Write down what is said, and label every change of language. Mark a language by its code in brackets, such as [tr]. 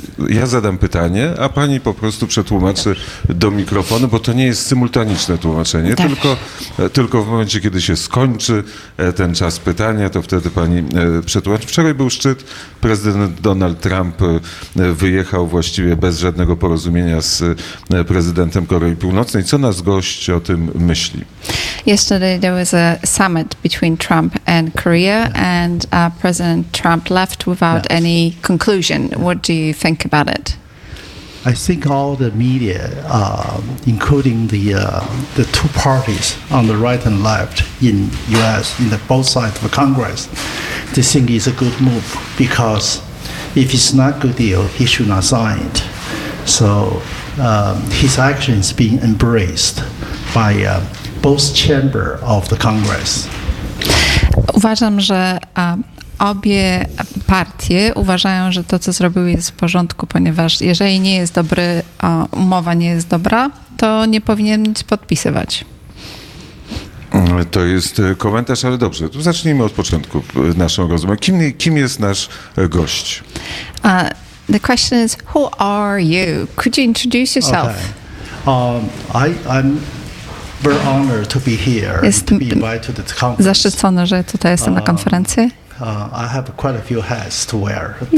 [pl] Ja zadam pytanie, a pani po prostu przetłumaczy do mikrofonu, bo to nie jest symultaniczne tłumaczenie, tylko w momencie, kiedy się skończy ten czas pytania, to wtedy pani przetłumaczy. Wczoraj był szczyt, prezydent Donald Trump wyjechał właściwie bez żadnego porozumienia z prezydentem Korei Północnej. Co nasz gość o tym myśli? [en] Yesterday there was a summit between Trump and Korea and President Trump left without any conclusion. What do you think about it? I think all the media, including the two parties on the right and left in U.S., in the both sides of Congress, they think it's a good move because if it's not a good deal, he should not sign it. So his action is being embraced by both chamber of the Congress. [pl] Uważam, że obie partie uważają, że to, co zrobił, jest w porządku, ponieważ jeżeli nie jest dobry, umowa nie jest dobra, to nie powinien nic podpisywać. To jest komentarz, ale dobrze. To zacznijmy od początku naszą rozmowę. Kim jest nasz gość? [en] The question is, who are you? Could you introduce yourself? Okay. We're honored to be here, [pl] jest [en] to be invited to the conference. [pl] Zaszczycony, że tutaj jestem na konferencji. [en] I have quite a few hats to wear.